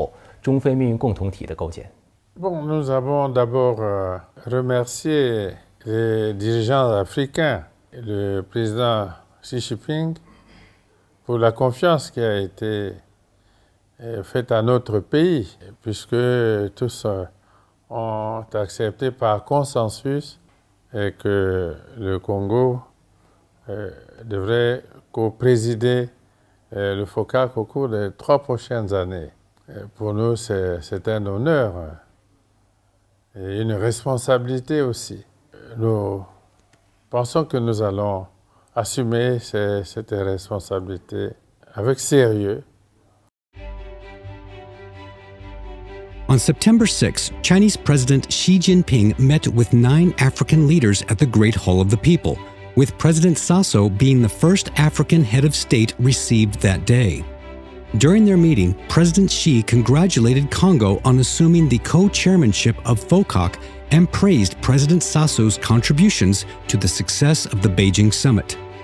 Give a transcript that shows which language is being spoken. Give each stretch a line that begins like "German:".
Chinese: 我们也特别高兴地看到刚果部成功接任中非合作论坛的共同主席国。那下一步刚果部将会如何去共担使命，来推进新时代全天候中非命运共同体的构建？
French: Bon, nous avons d'abord remercié les dirigeants africains, le président Xi Jinping, pour la confiance qui a été faite à notre pays, puisque tous ont accepté par consensus que le Congo devrait co-présider le FOCAC au cours des trois prochaines années. Et pour nous, c'est un honneur et une responsabilité aussi. Nous pensons que nous allons assumer cette responsabilité avec sérieux.
English: On September 6, Chinese President Xi Jinping met with 9 African leaders at the Great Hall of the People, with President Sassou being the first African head of state received that day. During their meeting, President Xi congratulated Congo on assuming the co-chairmanship of FOCAC and praised President Sassou's contributions to the success of the Beijing summit.